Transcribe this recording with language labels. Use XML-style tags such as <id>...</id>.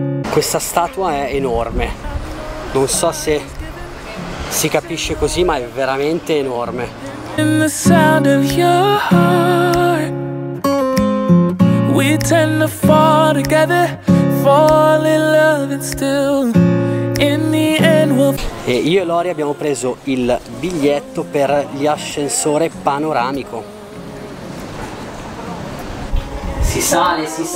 <it>Questa statua è enorme, non so se si capisce così, ma è veramente enorme.</it> <en>In the sound of your heart, we tend to fall together, fall in love and still in the end we'll...</en> <it>E io e Lori abbiamo preso il biglietto per l'ascensore panoramico. Si sale.</it>